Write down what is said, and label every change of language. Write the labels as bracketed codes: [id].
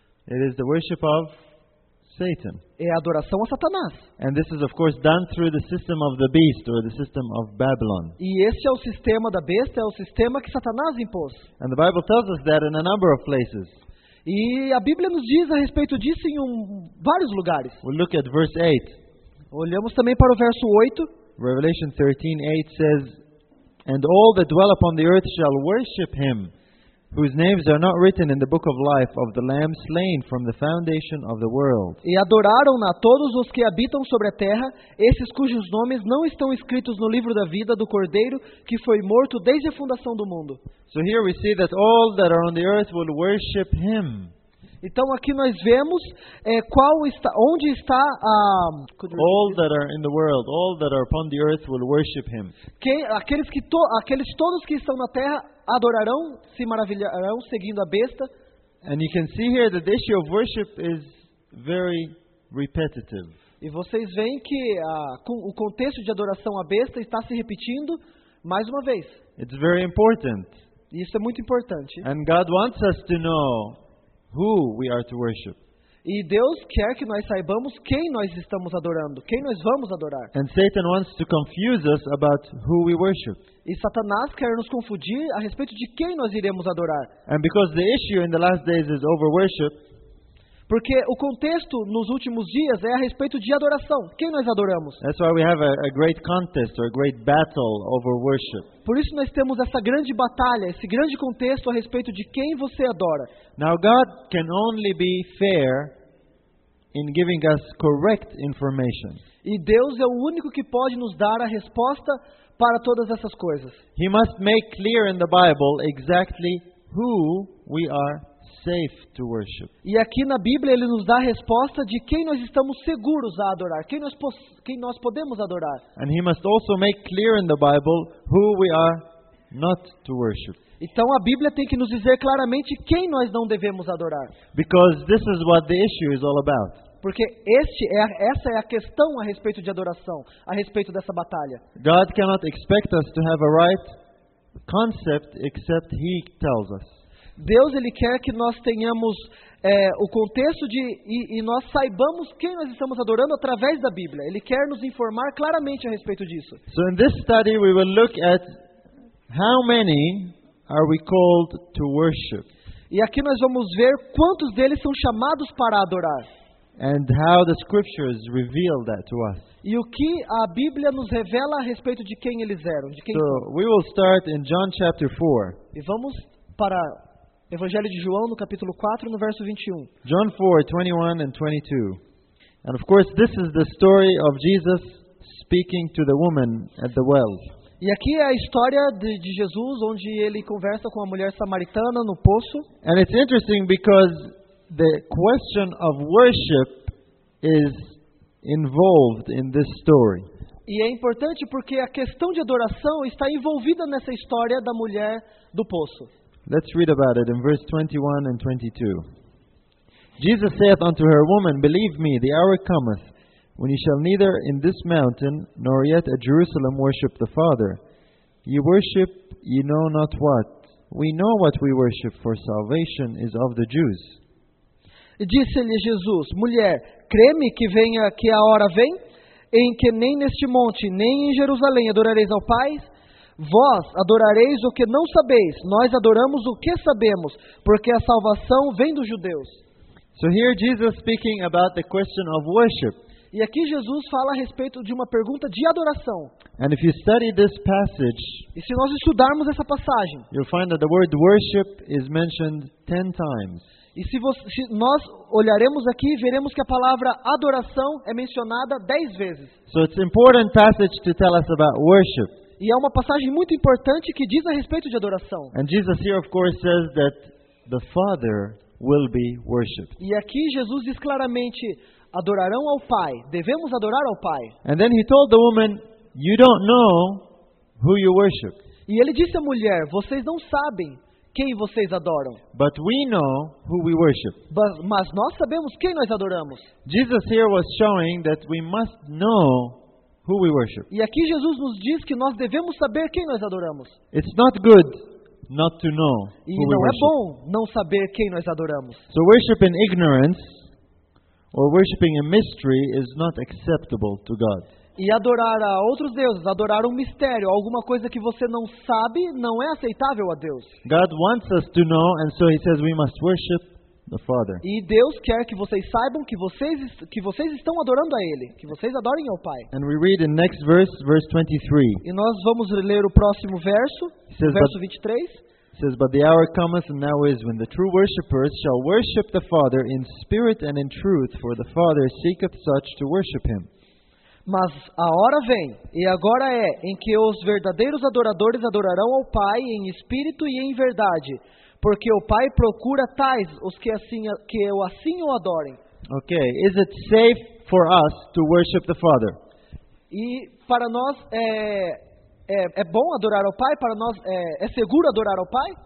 [en] It is the worship of Satan. [pt] É a adoração a Satanás. [en] And this is of course done through the system of the beast or the system of Babylon. [pt] E esse é o sistema da besta, é o sistema que Satanás impôs. [en] And the Bible tells us that in a number of places. [pt] E a Bíblia nos diz a respeito disso em vários lugares. [en] We look at verse 8. [pt] Olhamos também para o verso 8. [en] Revelation 13:8 says, and all that dwell upon the earth shall worship him, whose names are not written in the book of life of the Lamb slain from the foundation of the world. [pt] E adoraram-na todos os que habitam sobre a terra, esses cujos nomes não estão escritos no livro da vida do Cordeiro, que foi morto desde a fundação do mundo. [en] So here we see that all that are on the earth will worship him. [pt] Então aqui nós vemos onde está a [en] all that are in the world, all that are upon the earth will worship him. [pt] Aqueles todos que estão na terra adorarão, se maravilharão seguindo a besta. [en] And you can see here that the issue of worship is very repetitive. [pt] E vocês veem que o contexto de adoração à besta está se repetindo mais uma vez. [en] It's very important. [pt] Isso é muito importante. [en] And God wants us to know who we are to worship. [pt] E Deus quer que nós saibamos quem nós estamos adorando, quem nós vamos adorar. [en] And Satan wants to confuse us about who we worship. [pt] E Satanás quer nos confundir a respeito de quem nós iremos adorar. [en] And because the issue in the last days is over worship. [pt] Porque o contexto nos últimos dias é a respeito de adoração. Quem nós adoramos? [en] That's why we have a great contest or a great battle over worship. [pt] Por isso nós temos essa grande batalha, esse grande contexto a respeito de quem você adora. [en] Now God can only be fair in giving us correct information. [pt] E Deus é o único que pode nos dar a resposta para todas essas coisas. [en] He must make clear in the Bible exactly who we are. Safe to worship. [pt] E aqui na Bíblia ele nos dá a resposta de quem nós estamos seguros a adorar, quem nós podemos adorar. [en] And he must also make clear in the Bible who we are not to worship. [pt] Então a Bíblia tem que nos dizer claramente quem nós não devemos adorar. [en] Because this is what the issue is all about. [pt] Porque essa é a questão a respeito de adoração, a respeito dessa batalha. [en] God cannot expect us to have a right concept except he tells us. [pt] Deus ele quer que nós tenhamos o contexto e nós saibamos quem nós estamos adorando através da Bíblia. Ele quer nos informar claramente a respeito disso. [en] So in this study we will look at how many are we called to worship. [pt] E aqui nós vamos ver quantos deles são chamados para adorar. [en] And how the scriptures reveal that to us. [pt] E o que a Bíblia nos revela a respeito de quem eles eram, de quem. [en] So we will start in John chapter 4. [pt] E vamos para Evangelho de João, no capítulo 4, no verso 21. [en] John 4:21 and 22. And of course, this is the story of Jesus speaking to the woman at the well. [pt] E aqui é a história de Jesus, onde ele conversa com a mulher samaritana no poço. [en] And it's interesting because the question of worship is involved in this story. [pt] E é importante porque a questão de adoração está envolvida nessa história da mulher do poço. [en] Let's read about it in verse 21 and 22. Jesus saith unto her, woman, believe me, the hour cometh when you shall neither in this mountain nor yet at Jerusalem worship the Father. You worship, you know not what. We know what we worship, for salvation is of the Jews. [pt] Disse-lhe Jesus, mulher, creme que venha que a hora vem, em que nem neste monte, nem em Jerusalém adorareis ao Pai. Vós adorareis o que não sabeis, nós adoramos o que sabemos, porque a salvação vem dos judeus. [en] So here Jesus speaking about the question of worship. [pt] E aqui Jesus fala a respeito de uma pergunta de adoração. [en] And if you study this passage, [pt] e se nós estudarmos essa passagem, [en] you'll find that the word worship is mentioned 10 times. [pt] E se nós olharemos aqui, veremos que a palavra adoração é mencionada 10 vezes. [en] So it's an important passage to tell us about worship. [pt] E é uma passagem muito importante que diz a respeito de adoração. [en] And Jesus here, of course, says that the Father will be worshipped. [pt] E aqui Jesus diz claramente, adorarão ao Pai. Devemos adorar ao Pai. [en] And then he told the woman, you don't know who you worship. [pt] E ele disse à mulher, vocês não sabem quem vocês adoram. [en] But we know who we worship. [pt] Mas nós sabemos quem nós adoramos. [en] Jesus here was showing that we must know who we worship. [pt] E aqui Jesus nos diz que nós devemos saber quem nós adoramos. [en] It's not good not to know who we worship. [pt] E não é bom não saber quem nós adoramos. [en] So worship in ignorance or worshiping a mystery is not acceptable to God. [pt] E adorar a outros deuses, adorar um mistério, alguma coisa que você não sabe, não é aceitável a Deus. [en] God wants us to know, and so he says we must worship the Father. [pt] E Deus quer que vocês saibam que vocês estão adorando a ele, que vocês adorem ao Pai. [en] And we read in next verse 23. [pt] E nós vamos ler o próximo verso, verso 23. [en] Says, but the hour cometh and now is when the true worshippers shall worship the Father in spirit and in truth, for the Father seeketh such to worship him. [pt] Mas a hora vem, e agora é, em que os verdadeiros adoradores adorarão ao Pai em espírito e em verdade, porque o Pai procura tais os que assim o adorem. [en] Okay, is it safe for us to worship the Father? [pt] E para nós é bom adorar ao Pai? Para nós é seguro adorar ao Pai?